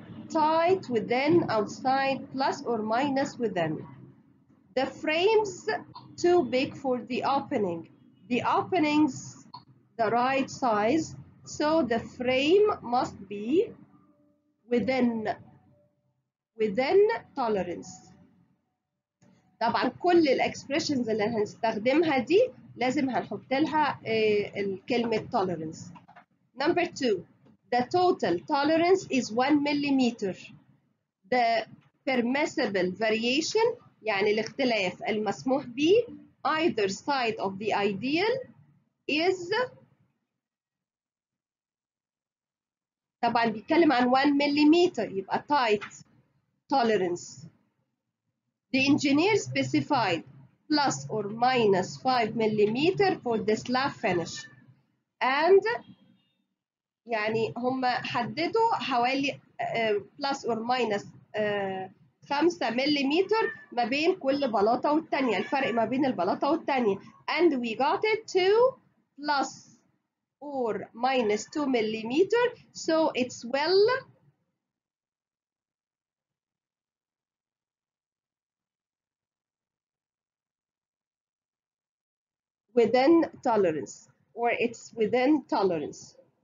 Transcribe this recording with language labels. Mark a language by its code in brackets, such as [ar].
[en] Tight, within, outside, plus or minus within. The frames too big for the opening. The openings the right size, so the frame must be within tolerance. [ar] طبعا كل الاكسبريشنز اللي هنستخدمها دي لازم هنحط لها الكلمة tolerance. [en] Number two, the total tolerance is 1 millimeter. The permissible variation, [ar] يعني الاختلاف المسموح به [en] either side of the ideal is. [ar] طبعا بيتكلم عن [en] 1 millimeter، [ar] يبقى [en] tight tolerance. The engineer specified plus or minus 5 millimeter for the slab finish. [ar] And يعني هم حددوا حوالي [en] plus or minus 5 millimeter [ar] ما بين كل بلاطة والتانية، الفرق ما بين البلاطة والتانية. [en] And we got it to plus or minus 2 millimeter, so it's well within tolerance, or it's within tolerance.